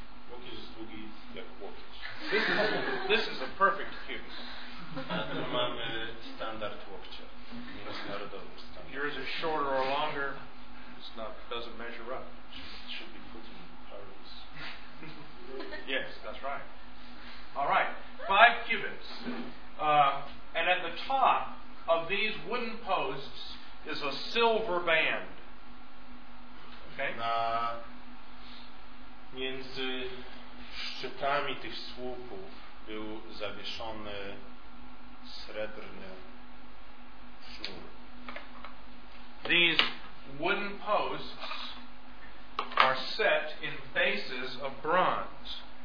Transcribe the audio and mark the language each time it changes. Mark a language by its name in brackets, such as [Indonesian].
[Polish] Łokieć jest długi jak łokieć. [English] This is a perfect cubit. [Polish] Mamy standard łokcia. Międzynarodowy standard. [English] Yours is shorter or longer. Doesn't measure up. Should be put in parallels. Yes, that's right. All right. Five cubits. And at the top of these wooden posts is a silver band. Okay? [Polish] Między szczytami tych słupów był zawieszony srebrny sznur. [English] These wooden posts are set in bases of bronze.